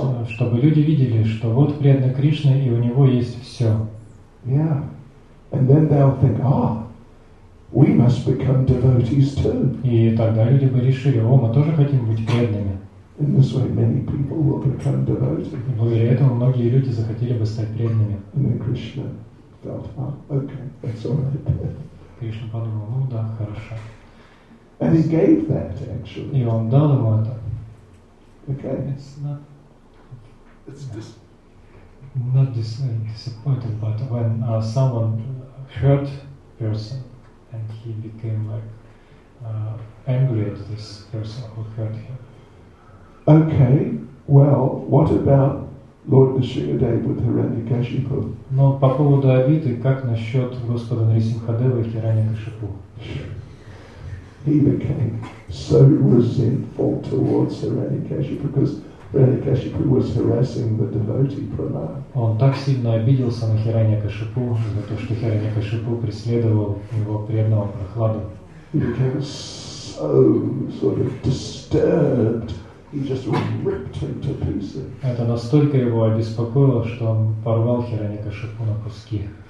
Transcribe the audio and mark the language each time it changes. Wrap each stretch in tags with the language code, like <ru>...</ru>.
<ru>Чтобы люди видели, что вот преданный Кришна, и у него есть все.</ru> <en>Yeah. And then they'll think, we must become devotees too.</en> <ru>И тогда люди бы решили: о, мы тоже хотим быть преданными.</ru> <en>In this way, many people will become devotees.</en> <ru>И благодаря этому многие люди захотели бы стать преданными.</ru> <en>And then Krishna felt, okay, that's all right.</en> <ru>Кришна подумал: ну да, хорошо.</ru> <en>And he gave that, actually.</en> <ru>И он дал ему это.</ru> <en>Okay. It's not. It's just not disappointed, but when someone hurt person and he became like angry at this person who hurt him. Okay. Well, what about Lord Nrisimhadeva with Hiranyakashipu?</en> <ru>Но по поводу обиды, как насчет господа Нрисимхадевы и Хираньякашипу?</ru> <en>He became so resentful towards Hiranyakashipu because Hiranyakashipu was harassing the devotee Pramada.</en> <ru>Он так сильно обиделся на Хираньякашипу за то, что Хираньякашипу преследовал его преданного Прохладу.</ru> <en>He became so sort of disturbed. He just ripped him to pieces.</en> <ru>Это настолько его обеспокоило, что он порвал Хираньякашипу на куски.</ru>